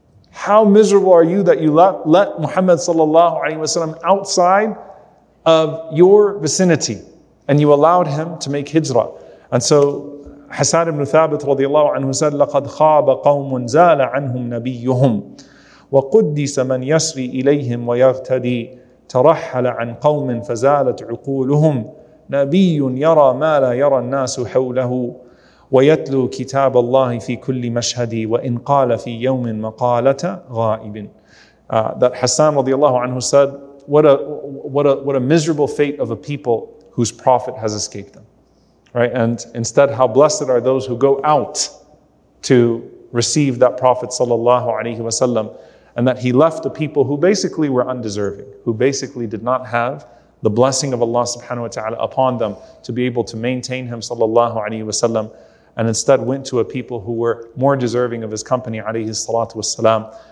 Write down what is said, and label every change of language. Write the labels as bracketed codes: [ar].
[en] How miserable are you that you let Muhammad sallallahu alayhi wa sallam outside of your vicinity, and you allowed him to make hijrah. [ar] And so Hasan ibn Thabit radiallahu anhu said, لَقَدْ خَابَ قَوْمٌ زَالَ عَنْهُمْ نَبِيُّهُمْ وَقُدِّسَ مَنْ يَسْرِي إِلَيْهِمْ وَيَغْتَدِي ترحل عن قوم فزالت عقولهم نبي يرى ما لا يرى الناس حوله ويتلو كتاب الله في كل مشهد وإن قال في يوم مقالة غائب. [en] That Hassan radiallahu anhu said, what a miserable fate of a people whose prophet has escaped them. Right? And instead, how blessed are those who go out to receive that prophet sallallahu alayhi wa sallam, and that he left the people who basically were undeserving, who basically did not have the blessing of Allah subhanahu wa ta'ala upon them to be able to maintain him sallallahu alayhi wa sallam, and instead went to a people who were more deserving of his company alayhi salatu wa salam.